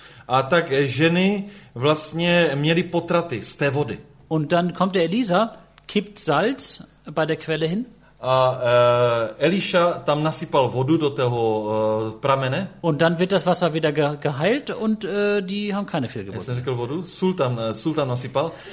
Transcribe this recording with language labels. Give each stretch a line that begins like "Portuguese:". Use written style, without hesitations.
Czech: A tak ženy vlastně měly potraty z té vody.
German: Und dann kommt der Elisa, kippt Salz bei der Quelle hin.
Czech: A Eliša tam nasypal vodu do toho pramene.
German: Und dann wird das Wasser wieder geheilt und die haben keine Fehlgeburten.
Czech: Já jsem řekl vodu, sultan nasypal.